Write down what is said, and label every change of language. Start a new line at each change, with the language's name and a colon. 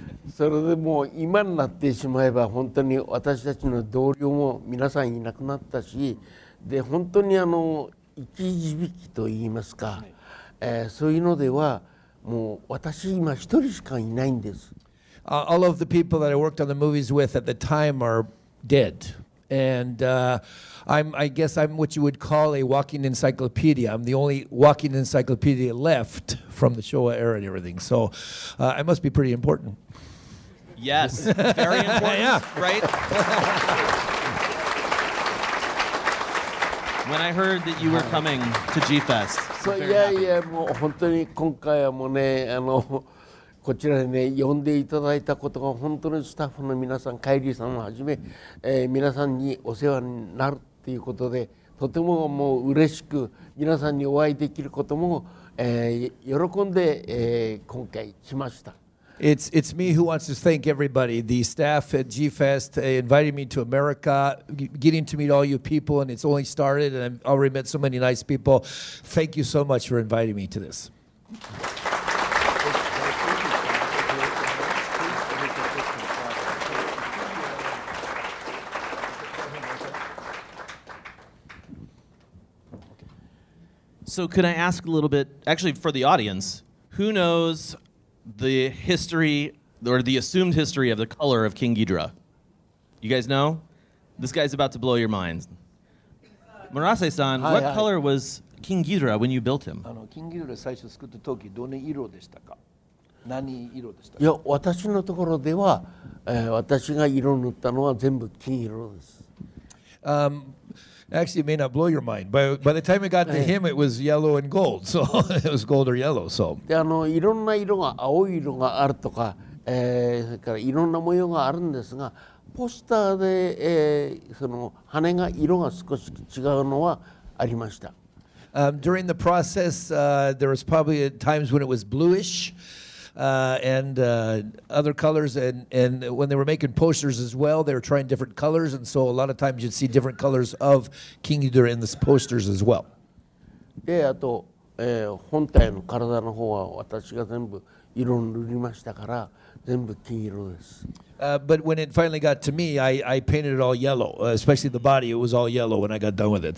Japanese: それでもう今になってしまえば本当に私たちの同僚も皆さんいなくなったし、で本当に生き字引といいますか、そういうのではもう私今一人しかいないんです。
English: All of the people that I worked on the movies with at the time are dead, and I guess I'm what you would call a walking encyclopedia. I'm the only walking encyclopedia left from the Showa era and everything, so I must be pretty important. Yes, very important, yeah. Right? When I heard that you were coming to G-Fest. So, yeah,
Japanese: もう本当に今回はもうね、こちらにね、呼んでいただいたことが本当にスタッフの皆さん、カイリーさんをはじめ、皆さんにお世話になるっていうことで、とてももう嬉しく、皆さんにお会いできることも、喜んで、今回来ました。
English: It's me who wants to thank everybody, the staff at G-Fest inviting me to America, getting to meet all you people, and it's only started, and I've already met so many nice people. Thank you so much for inviting me to this. So could I ask a little bit, actually for the audience, who knows the history or the assumed history of the color of King Ghidorah? You guys know? This guy's about to blow your minds. Murase-san, what color was King Ghidorah when you built him?
Japanese: King Ghidorah 最初作った時どの色でしたか？何色でしたか？いや、私のところでは、私が色塗ったのは全部金色です。
English: Actually, it may not blow your mind, but by the time it got to him, it was yellow and gold. So it was gold or yellow. So.
Japanese: で、いろんな色が青い色があるとか、それからいろんな模様があるんですが、 ポスターで、その羽が色が少し違うのはありました。
English: During the process, there was probably at times when it was bluish and other colors. And when they were making posters as well, they were trying different colors. And so a lot of times you'd see different colors of King Ghidorah in the posters as well.
Japanese: で、あと、本体の体の方は私が全部色を塗りましたから、全部金色です。
English: But when it finally got to me, I painted it all yellow, especially the body. It was all yellow when I got done with it.